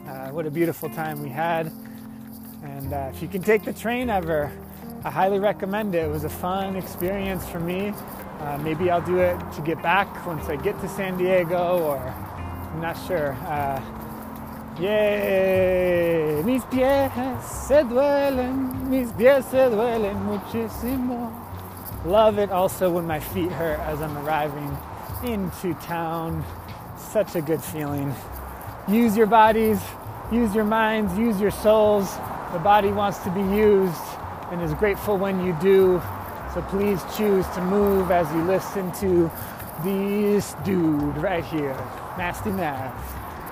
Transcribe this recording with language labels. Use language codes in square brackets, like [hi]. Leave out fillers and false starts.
[en] What a beautiful time we had. And if you can take the train ever, I highly recommend it. It was a fun experience for me. Maybe I'll do it to get back once I get to San Diego, or I'm not sure. Yay! [es] Mis pies se duelen, mis pies se duelen muchísimo. [en] Love it also when my feet hurt as I'm arriving into town. Such a good feeling. Use your bodies. Use your minds, use your souls. The body wants to be used and is grateful when you do. So please choose to move as you listen to this dude right here, Nasty Math.